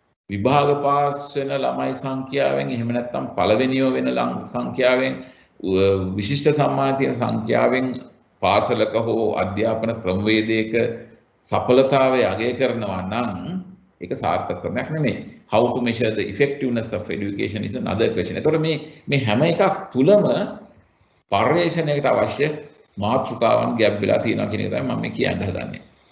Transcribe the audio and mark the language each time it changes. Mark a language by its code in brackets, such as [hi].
[si] විභාග පාස් වෙන ළමයි සංඛ්‍යාවෙන් එහෙම නැත්නම් පළවෙනියෝ වෙන සංඛ්‍යාවෙන් විශිෂ්ට සම්මානීය සංඛ්‍යාවෙන් පාසලක හෝ අධ්‍යාපන ක්‍රමවේදයක සඵලතාවය අගය කරනවා නම් ඒක සාර්ථක ක්‍රමයක් නෙමෙයි. [en] How to measure the effectiveness of education is another question. [si] ඒතකොට මේ හැම එකක් තුලම පර්යේෂණයකට අවශ්‍ය මාතෘකාවන් ගැබ් වෙලා තියෙනවා කියන එක තමයි මම මේ කියන්න හදන්නේ.